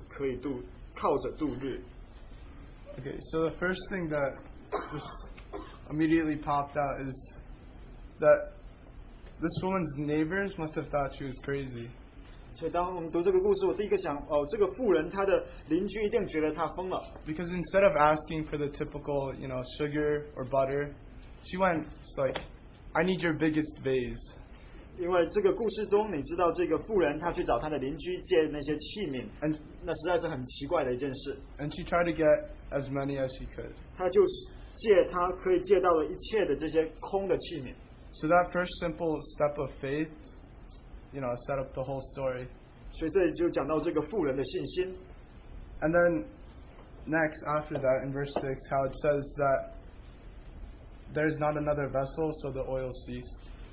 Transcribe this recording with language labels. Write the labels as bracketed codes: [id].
[zh] 列王记下第四章第六第七节，器皿都满了，他对儿子说：“再给我拿器皿来。”儿子说：“再没有器皿了。”油就止住了。妇人却告诉神人，神人说：“你去卖油还债，所剩的你和你儿子可以度靠着度日。” [en] Okay, so the first thing that just immediately popped out is that this woman's neighbors must have thought she was crazy. [zh] 所以当我们读这个故事，我第一个想，哦，这个妇人她的邻居一定觉得她疯了。 [en] Because instead of asking for the typical, you know, sugar or butter, she went, she's like, "I need your biggest vase." [zh] 因为这个故事中，你知道这个妇人她去找她的邻居借那些器皿， [en] and [zh] 那实在是很奇怪的一件事。 [en] And she tried to get as many as she could. [zh] 她就借她可以借到的一切的这些空的器皿。 [en] So that first simple step of faith, you know, set up the whole story. [zh] 所以这里就讲到这个妇人的信心。 [en] And then next after that, in verse 6, how it says that there is not another vessel, so the oil ceased.